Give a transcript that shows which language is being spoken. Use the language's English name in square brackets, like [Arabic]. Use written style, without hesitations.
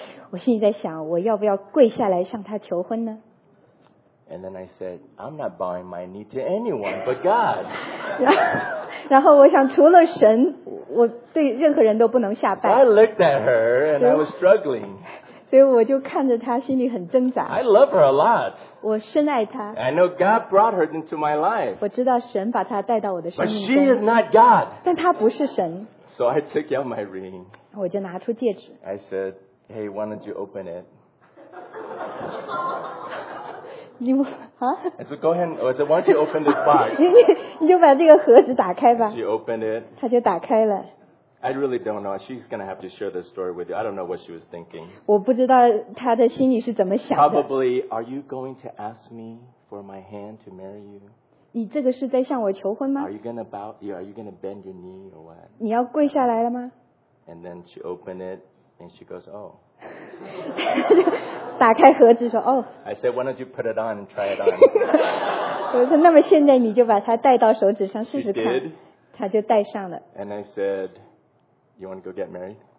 [Chinese] 我心里在想，我要不要跪下来向她求婚呢？ [English] And then I said, I'm not bowing my knee to anyone but God. [Chinese] 然后我想，除了神，我对任何人都不能下拜。 [English] So I looked at her and I was struggling. [Chinese] 所以我就看着她，心里很挣扎。 [English] I love her a lot. [Chinese] 我深爱她。 [English] I know God brought her into my life. [Chinese] 我知道神把她带到我的生命中。 [English] But she is not God. [Chinese] 但她不是神。 [English] So I took out my ring. [Chinese] 我就拿出戒指。 [English] I said, Hey, why don't you open it? [Chinese] 你们 [English] I said, go ahead. I said, why don't you open this box? [Chinese] 你就把这个盒子打开吧。 [English] She opened it. [Chinese] 她就打开了。 [English] I really don't know. She's going to have to share this story with you. I don't know what she was thinking. [Chinese] 我不知道她的心里是怎么想的。 [English] Probably, are you going to ask me for my hand to marry you? [Chinese] 你这个是在向我求婚吗？ [English] Are you going to bend your knee or what? [Chinese] 你要跪下来了吗？ [English] And then she opened it and she goes, oh. [Chinese] 打开盒子说哦。 [English] I said, why don't you put it on and try it on? [Chinese] 我说那么现在你就把它戴到手指上试试看。 [English] She did. [Chinese] 她就戴上了。 [English] And I said, you want to go get married?